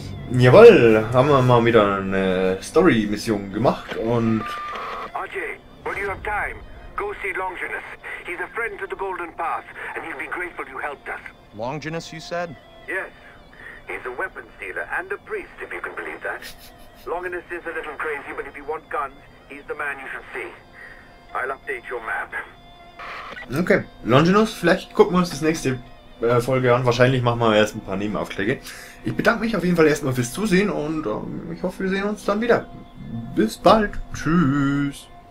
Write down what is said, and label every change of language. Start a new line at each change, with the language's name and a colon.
German: Jawoll, haben wir mal wieder eine Story-Mission gemacht und...
English: Ajay, while you have time, go see Longinus. He's a friend to the Golden Path and he'll be grateful you helped us. Longinus, you said? Yes. He's a weapon-stealer and a priest, if you can believe that. Longinus is a little crazy, but if you want guns, he's the man you should see. I'll update your map.
German: Okay, Longinus, vielleicht gucken wir uns das nächste Folge an. Wahrscheinlich machen wir erst ein paar Nebenaufträge. Ich bedanke mich auf jeden Fall erstmal fürs Zusehen und ich hoffe, wir sehen uns dann wieder. Bis bald. Tschüss.